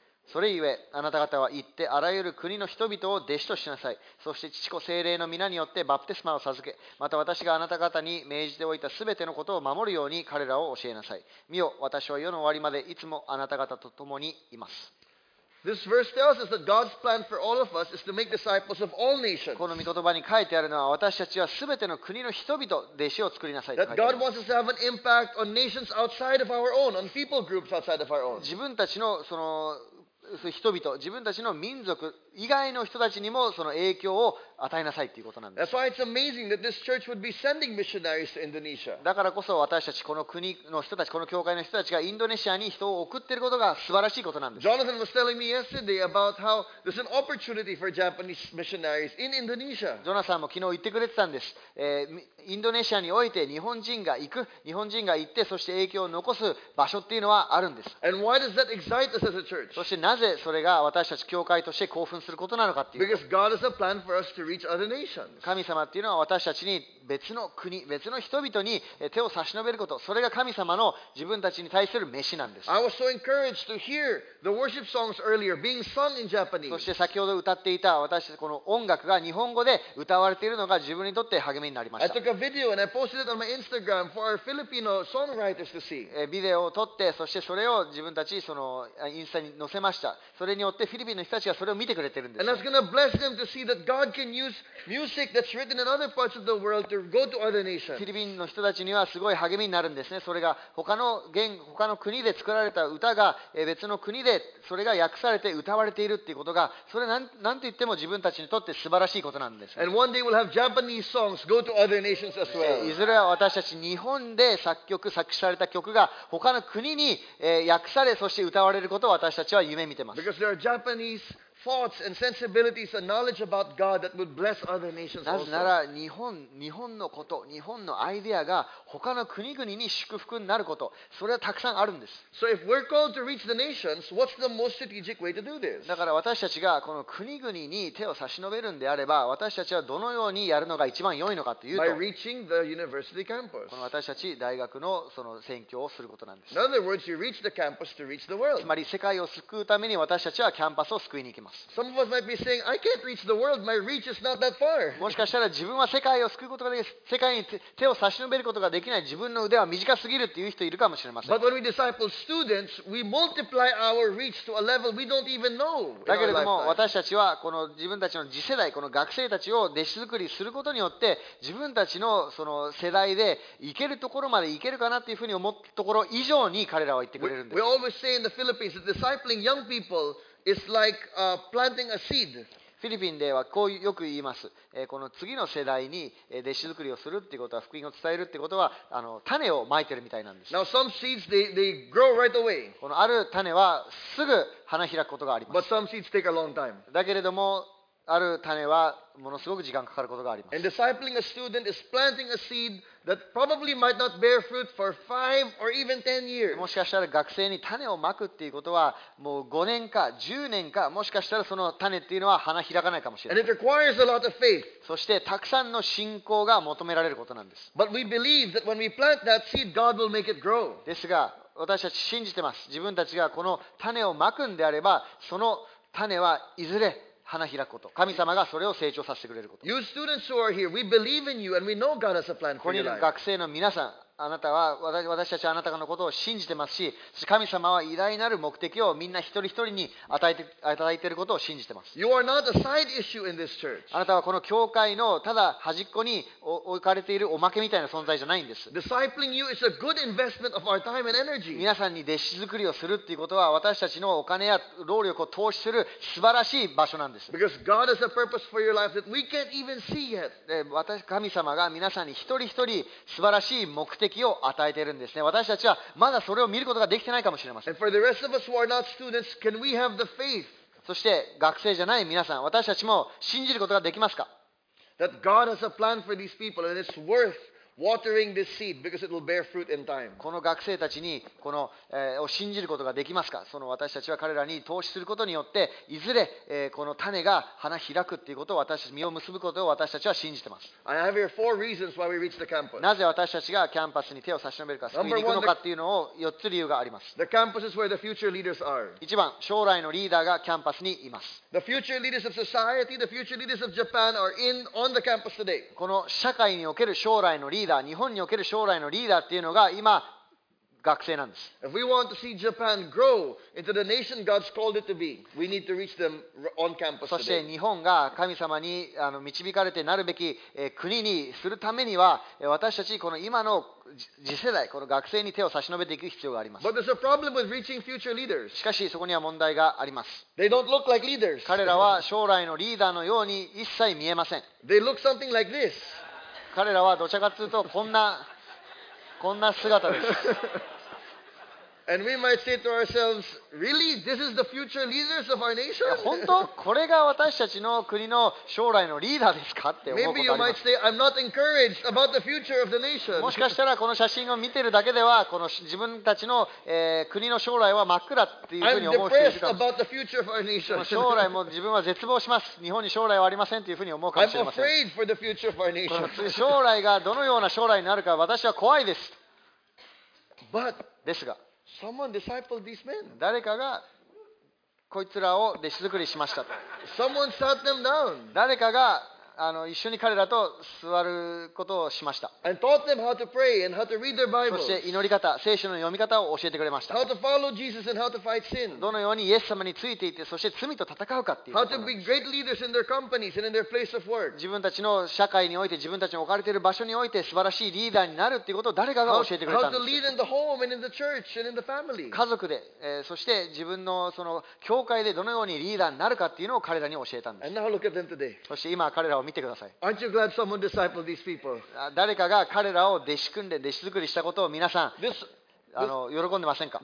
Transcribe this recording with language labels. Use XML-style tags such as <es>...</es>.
<ja>それゆえあなた方は行ってあらゆる国の人々を弟子としなさい。そして父子聖霊の皆によってバプテスマを授け、また私があなた方に命じておいたすべてのことを守るように彼らを教えなさい。見よ、私は世の終わりまでいつもあなた方と共にいます。</ja> <en>This verse tells us that God's plan for all of us is to make disciples of all nations.</en> <ja>この御言葉に書いてあるのは、私たちはすべての国の人々、弟子を作りなさいと書いてある。</ja> <en>God wants us to have an impact on nations outside of our own, on people groups outside of our own.</en> <ja>自分たちのその人々、自分たちの民族以外の人たちにもその影響を与えなさいということなんです。</ja> <en>That's why it's amazing that this church would be sending missionaries to Indonesia.</en> <ja>だからこそ私たちこの国の人たち、この教会の人たちがインドネシアに人を送っていることが素晴らしいことなんです。</ja> <en>Jonathan was telling me yesterday about how there's an opportunity for Japanese missionaries in Indonesia.</en> <ja>ジョナサンも昨日言ってくれてたんです。インドネシアにおいて日本人が行く、日本人が行ってそして影響を残す場所っていうのはあるんです。</ja> <en>And why does that excite us as a church?</en> <ja>そしてなぜそれが私たち教会として興奮することなのかっていう。</ja> <en>Because God has a plan for us to reach other nations.</en> <ja>神様っていうのは私たちに別の国、別の人々に手を差し伸べること、それが神様の自分たちに対する召しなんです。</ja> <en>I was so encouraged to hear the worship songs earlier being sung in Japanese.</en> <ja>そして先ほど歌っていた私たちこの音楽が日本語で歌われているのが自分にとって励みになりました。</ja> <en>I took a video and I posted it on my Instagram for our Filipino songwriters to see.</en> <ja>ビデオを撮って、そしてそれを自分たちそのインスタに載せました。それによってフィリピンの人たちがそれを見てくれてるんです。</ja> <en>And that's going to bless them to see that God can use music that's written in other parts of the world.</en> <ja>フィリピンの人たちにはすごい励みになるんですね。それが他の国で作られた歌が別の国でそれが訳されて歌われているっていうことが、それなんと言っても自分たちにとって素晴らしいことなんです。</ja> <en>And one day we'll have Japanese songs go to other nations as well.</en> <ja>いずれは私たち日本で作曲作詞された曲が他の国に訳されそして歌われることを私たちは夢見てます。</ja> <en>Because there are Japanese thoughts and sensibilities and knowledge about God that would bless other nations also.</en> <ja>なぜなら日本のこと、日本のアイデアが他の国々に祝福になること、それはたくさんあるんです。</ja> <en>So if we're called to reach the nations, what's the most strategic way to do this?</en> <ja>だから私たちがこの国々に手を差し伸べるんであれば、私たちはどのようにやるのが一番良いのかというと、</ja> <en>by reaching the university campus.</en> <ja>この私たち大学のその宣教をすることなんです。</ja> <en>In other words, you reach the campus to reach the world.</en> <ja>つまり世界を救うために私たちはキャンパスを救いに行きます。</ja> <en>Some of us might be saying, "I can't reach the world. My reach is not that far."</en> <ja>もしかしたら自分は世界を救うことができ、世界に手を差し伸べることができない、自分の腕は短すぎるっていう人いるかもしれません。</ja> <en>But when we disciple students, we multiply our reach to a level we don't even know.</en> <ja>だけれども私たちはこの自分たちの次世代、この学生たちを弟子作りすることによって、自分たちのその世代で行けるところまで行けるかなっていうふうに思ったところ以上に彼らは言ってくれるんです。</ja> <en>We always say in the Philippines that discipling young people. It's like planting a seed.</en> <ja>フィリピンではこうよく言います。この次の世代に弟子作りをするっていうことは、福音を伝えるっていうことは、種をまいてるみたいなんです。</ja> <en>Now some seeds they grow right away.</en> <ja>このある種はすぐ花開くことがあります。</ja> <en>But some seeds take a long time.</en> <ja>だけれども、ある種はものすごく時間かかることがあります。</ja> <en>And discipling a student is planting a seed. That probably might not bear fruit for 5 or even 10 years.</en> <ja>もしかしたら学生に種をまくっていうことは、もう5年か10年か、もしかしたらその種っていうのは花開かないかもしれない。</ja> <en>And it requires a lot of faith.</en> <ja>そしてたくさんの信仰が求められることなんです。</ja> <en>But we believe that when we plant that seed, God will make it grow.</en> <ja>ですが、私たち信じてます。自分たちがこの種をまくんであれば、その種はいずれ花開くこと、神様がそれを成長させてくれること。</ja> <en>You students who are here, we believe in you and we know God has a plan for your life.</en> <ja>ここに学生の皆さん、あなたは私たちはあなたのことを信じてますし、神様は偉大なる目的をみんな一人一人に与えていることを信じてます。</ja> <en>You are not a side issue in this church.</en> <ja>あなたはこの教会のただ端っこに置かれているおまけみたいな存在じゃないんです。</ja> <en>Discipling you is a good investment of our time and energy.</en> <ja>皆さんに弟子作りをするっていうことは、私たちのお金や労力を投資する素晴らしい場所なんです。</ja> <en>Because God has a purpose for your life that we can't even see yet.</en> <ja>神様が皆さんに一人一人素晴らしい目的敵を与えているんですね。私たちはまだそれを見ることができてないかもしれません。そして学生じゃない皆さん、私たちも信じることができますか？</ja> <en>That God has a plan for these people and it's worth watering this seed because it will bear fruit in time.</en> <ja>この学生たちにこの、を信じることができますか？その私たちは彼らに投資することによって、いずれ、この種が花開くということを、私たち実を結ぶことを私たちは信じてます。</ja> <en>I have here four reasons why we reach the campus.</en> <ja>なぜ私たちがキャンパスに手を差し伸べるか、救いに行くのかっていうのを4つ理由があります。</ja> <en>The campus is where the future leaders are.</en> <ja>一番、将来のリーダーがキャンパスにいます。</ja> <en>The future leaders of society, the future leaders of Japan are on the campus today.</en> <ja>この社会における将来のリーダー、日本における将来のリーダーっていうのが今学生なんです。</ja> <en>If we want to see Japan grow into the nation God's called it to be, we need to reach them on campus today.</en> <ja>そして日本が神様に導かれてなるべき国にするためには、私たちこの今の次世代、この学生に手を差し伸べていく必要があります。</ja> <en>But there's a problem with reaching future leaders.</en> <ja>しかしそこには問題があります。</ja> <en>They don't look like leaders.</en> <ja>彼らは将来のリーダーのように一切見えません。</ja> <en>They look something like this.</en> <ja>彼らはどちらかというとこんな姿です。</ja> <en>And we might say to ourselves, really? This is the future leaders of our nation?</en> <ja>本当これが私たちの国の将来のリーダーですかって思うことあります。</ja> <en>Maybe you might say, I'm not encouraged about the future of the nation.</en> <ja>もしかしたらこの写真を見てるだけでは、この自分たちの、国の将来は真っ暗っていうふうに思う人いるかもしれない。</ja> <en>I'm depressed about the future of our nation.</en> <ja>この将来も自分は絶望します。日本に将来はありませんっていうふうに思うかもしれません。</ja> <en>I'm afraid for the future of our nation.</en> <ja>将来がどのような将来になるか私は怖いです。</ja> <en>But,</en> <ja>ですが、</ja> <en>Someone discipled these men.</en> <ja>誰かがこいつらを弟子作りしましたと。</ja> <en>Someone sat them down.</en> <ja>誰かが一緒に彼らと座ることをしました。</ja> <en>And taught them how to pray and how to read their Bibles.</en> <ja>そして祈り方、聖書の読み方を教えてくれました。</ja> <en>How to follow Jesus and how to fight sin.</en> <ja>どのようにイエス様についていて、そして罪と戦うかっていうことです。</ja> <en>How to be great leaders in their companies and in their place of work.</en> <ja>自分たちの社会において、自分たちの置かれている場所において素晴らしいリーダーになるっていうことを誰かが教えてくれたんです。</ja> <en>How to lead in the home and in the church and in the family.</en> <ja>家族で、そして自分のその教会でどのようにリーダーになるかっていうのを彼らに教えたんです。</ja> <en>And now look at them today.</en> <ja>そして今彼らを見てください。</ja> <en>Aren't you glad someone discipled these people?</en> <ja>誰かが彼らを弟子訓練、弟子作りしたことを皆さん喜んでませんか。</ja>